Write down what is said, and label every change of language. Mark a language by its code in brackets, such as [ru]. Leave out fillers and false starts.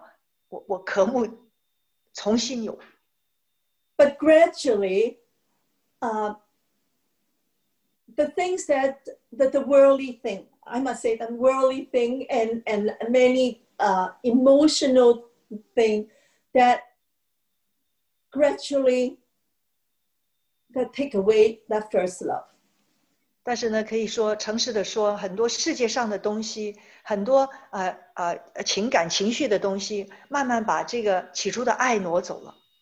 [zh] 当我最开始遇见耶稣的时候，那种起初的爱，那种的饥渴，我渴慕重新有. [en] But gradually, the things that the worldly thing, I must say the worldly thing and many emotional thing that gradually that take away that first love. [zh] 但是呢，可以说诚实的说，很多世界上的东西，很多情感情绪的东西，慢慢把这个起初的爱挪走了。